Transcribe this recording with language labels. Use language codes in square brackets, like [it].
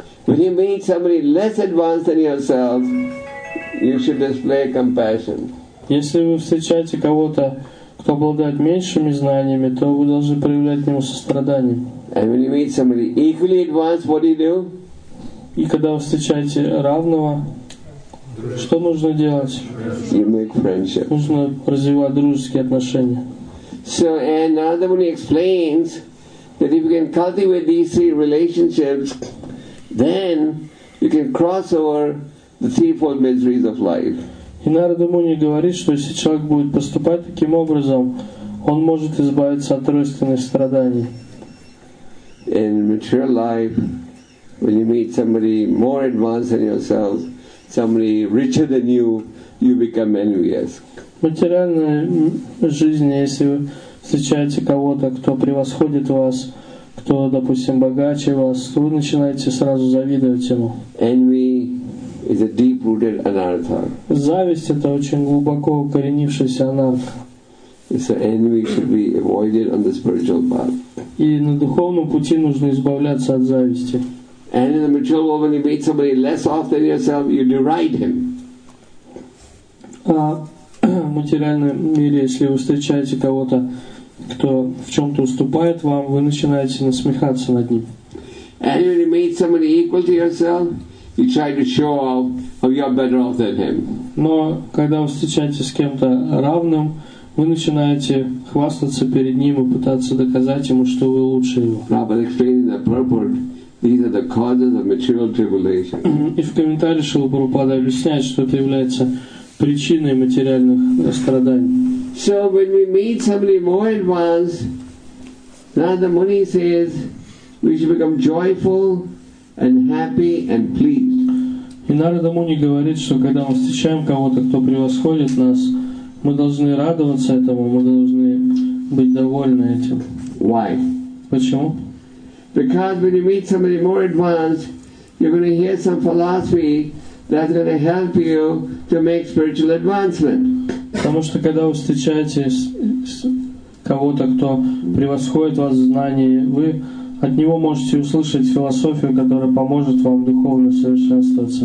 [en] When you meet somebody less advanced than yourself, you should display compassion. [ru] Если вы встречаете кого-то, кто обладает меньшими знаниями, то вы должны проявлять к нему сострадание. [en] And when you meet somebody equally advanced, what do you do? [ru] И когда вы встречаете равного, что нужно делать? [en] You make friendship. [ru] Нужно развивать дружеские отношения. [en] So, and Narada Muni explains that if you can cultivate these three relationships, then you can cross over the threefold miseries of life. [ru] И Нарада Муни говорит, что если человек будет поступать таким образом, он может избавиться от тройственных страданий. [en] In material life, when you meet somebody more advanced than yourself, somebody richer than you, you become envious. [ru] В материальной жизни, если вы встречаете кого-то, кто превосходит вас, кто, допустим, богаче вас, то вы начинаете сразу завидовать ему. [en] Envy. Is a deep-rooted anartha. [ru] Зависть это очень глубоко укоренившаяся анартха. [en] So envy should be avoided on the spiritual path. [ru] И на духовном пути нужно избавляться от зависти. [en] And in the material world, when you meet somebody less off than yourself, you deride him. [ru] В материальном мире, если вы встречаете кого-то, кто в чем-то уступает вам, вы начинаете насмехаться над ним. [en] And when you meet somebody equal to yourself, you try to show off how you're better off than him. [ru] Но когда вы встречаетесь с кем-то равным, вы начинаете хвастаться перед ним и пытаться доказать ему, что вы лучше его. [en] Prabhupada explained in the purport, these are the causes of material tribulation. [ru] И в комментарии Шрила Прабхупада объясняет, что это является причиной материальных страданий. [en] So when we meet somebody more advanced, Narada Muni says we should become joyful and happy and pleased. [ru] И Нарада Муни говорит, что когда мы встречаем кого-то, кто превосходит нас, мы должны радоваться этому, мы должны быть довольны этим. [en] Why? [ru] Почему? [en] Because when you meet somebody more advanced, you're going to hear some philosophy that's going to help you to make spiritual advancement. [ru] Потому что когда вы встречаете кого-то, кто превосходит вас в знании, вы от него можете услышать философию, которая поможет вам духовно совершенствоваться.